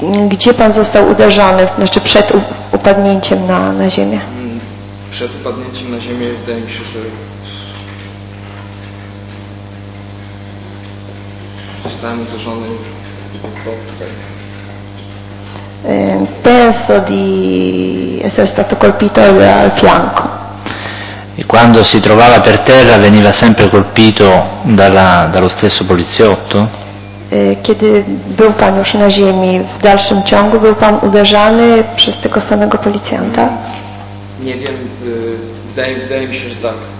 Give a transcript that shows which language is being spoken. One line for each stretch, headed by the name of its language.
Polish: Gdzie pan został uderzony, znaczy przed upadnięciem na ziemię? Przed upadnięciem na ziemię wydaje mi się, że zostałem uderzony tutaj.
Italian: Penso di essere stato colpito al fianco. E quando si trovava per terra veniva sempre colpito dallo stesso poliziotto?
Polish: Kiedy był pan już na ziemi, w dalszym ciągu był pan uderzany przez tego samego policjanta? Nie wiem, wydaje mi się, że tak.